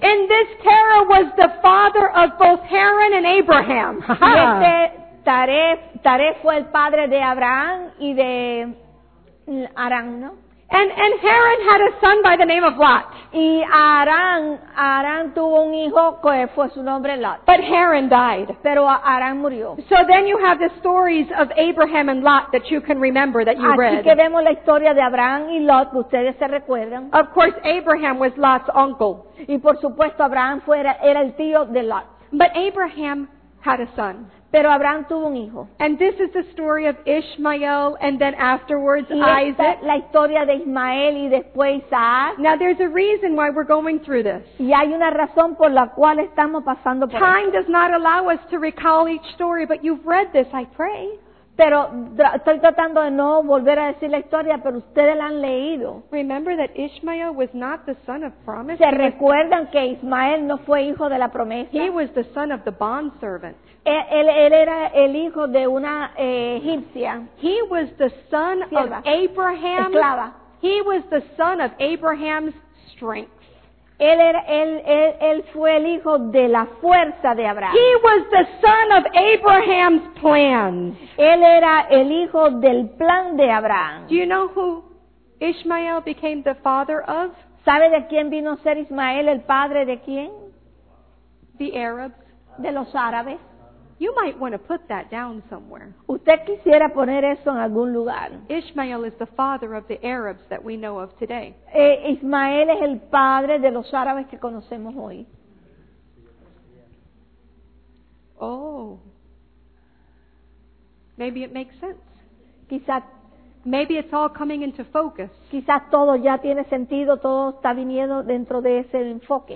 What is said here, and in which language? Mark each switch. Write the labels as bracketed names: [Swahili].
[English] And this Terah was the father of both Haran and Abraham. [Spanish] Este Tare fue el padre de Abraham y de Aram, ¿no? [English] And Haran had a son by the name of Lot. [Spanish] Y Aram tuvo un hijo que fue su nombre Lot. [English] But Haran died. [Spanish] Pero Aram murió. [English] So then you have the stories of Abraham and Lot that you can remember that you [Spanish] Así [English] read. [Spanish] Así que vemos la historia de Abraham y Lot, ustedes se recuerdan. [English] Of course, Abraham was Lot's uncle. [Spanish] Y por supuesto, Abraham era el tío de Lot. [English] But Abraham had a son. [Spanish] Pero Abraham tuvo un hijo. [English] And this is the story of Ishmael and then afterwards Isaac. [Spanish] La historia de Ismael y después Isaac. [English] Now there's a reason why we're going through this. [Spanish] Y hay una razón por la cual estamos pasando por esto. [English] Time does not allow us to recall each story, but you've read this, I pray. [Spanish] Pero estoy tratando de no volver a decir la historia, pero ustedes la han leído. [English] Remember that Ishmael was not the son of promise. [Spanish] ¿Se recuerdan que Ismael no fue hijo de la promesa? [English] He was the son of the bond servant. [Spanish] Él era el hijo de una egipcia. [English] He was the son of Abraham. [Spanish] Esclava. [English] He was the son of Abraham's strength. [Spanish] Él fue el hijo de la fuerza de Abraham. [English] He was the son of Abraham's plans. [Spanish] Él era el hijo del plan de Abraham. [English] Do you know who Ishmael became the father of? [Spanish] ¿Sabe de quién vino a ser Ismael el padre de quién? [English] The Arabs. [Spanish] De los árabes. [English] You might want to put that down somewhere. [Spanish] Usted quisiera poner eso en algún lugar. [English] Ishmael is the father of the Arabs that we know of today. [Spanish] Ismael es el padre de los árabes que conocemos hoy. Oh. [English] Maybe it makes sense. [Spanish] Quizá [English] it's all coming into focus. [Spanish] Quizás todo ya tiene sentido, todo está viniendo dentro de ese enfoque.